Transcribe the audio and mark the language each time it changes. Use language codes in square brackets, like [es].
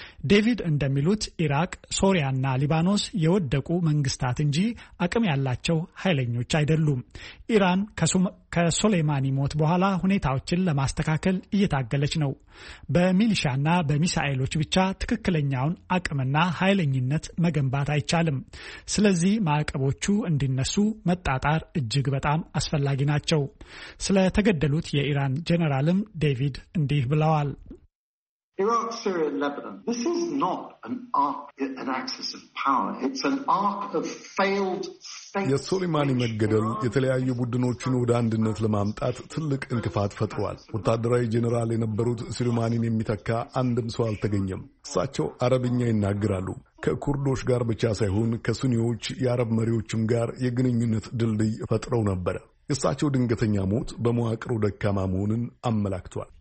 [am] ዴቪድ እንደሚሉት ኢራቅ፣ ሶሪያና ሊባኖስ የወደቁ መንግስታት እንጂ አቅም ያላቸው ኃይለኞች አይደሉም። ኢራን ከሶሌማኒ ሞት በኋላ ሁኔታዎችን ለማስተካከል እየታገለች ነው። በሚሊሻና በሚሳኤሎች ብቻ ትክክለኛውን አቅምና ኃይለኝነት መገንባት አይቻልም። ስለዚህ ማዕቀቦቹ እንዲነሱ መጣጣር እጅግ በጣም አስፈላጊ ናቸው። ስለተገደሉት የኢራን ጀነራልም ዴቪድ እንዲህ ብለዋል። [en] Iraq, Syria, and Lebanon. This is not an axis of power. It's an arc of failed [am] የሶሊማኒ መገደል የተለያዩ ቡድኖችን ወደ አንድነት ለማምጣት ትልቅ እንቅፋት ፈጥሯል። ወታደራዊ ጀነራል የነበሩት ሶሊማኒን የሚተካ አንድም ሰው አልተገኘም። እሳቸው አረብኛ ይናገራሉ። ከኩርዶች ጋር ብቻ ሳይሆን ከሱኒዎች የአረብ መሪዎችም ጋር የግንኙነት ድልድይ ፈጥረው ነበር። የእሳቸው ድንገተኛ ሞት በመዋቅሩ ደካማ መሆኑን አመላክቷል።